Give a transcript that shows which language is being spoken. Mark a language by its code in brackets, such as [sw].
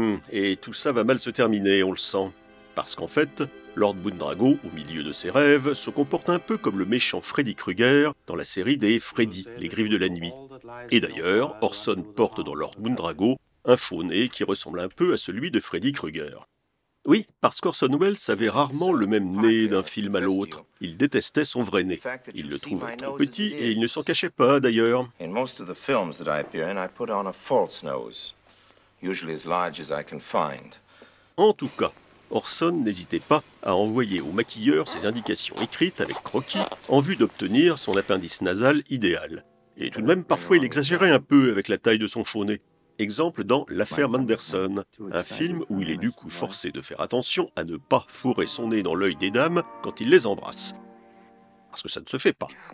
[fr] Et tout ça va mal se terminer, on le sent. Parce qu'en fait, Lord Mundrago, au milieu de ses rêves, se comporte un peu comme le méchant Freddy Krueger dans la série des Freddy, les griffes de la nuit. Et d'ailleurs, Orson porte dans Lord Mundrago un faux nez qui ressemble un peu à celui de Freddy Krueger. Oui, parce qu'Orson Welles avait rarement le même nez d'un film à l'autre. Il détestait son vrai nez. Il le trouvait trop petit et il ne s'en cachait pas d'ailleurs. [en] In most of the films that I appear in, I put on a false nose. Usually as large as I can find. [fr] En tout cas, Orson n'hésitait pas à envoyer au maquilleur ses indications écrites avec croquis en vue d'obtenir son appendice nasal idéal. Et tout de même, parfois, il exagérait un peu avec la taille de son faux nez. Exemple dans L'affaire Manderson, un film où il est du coup forcé de faire attention à ne pas fourrer son nez dans l'œil des dames quand il les embrasse. Parce que ça ne se fait pas.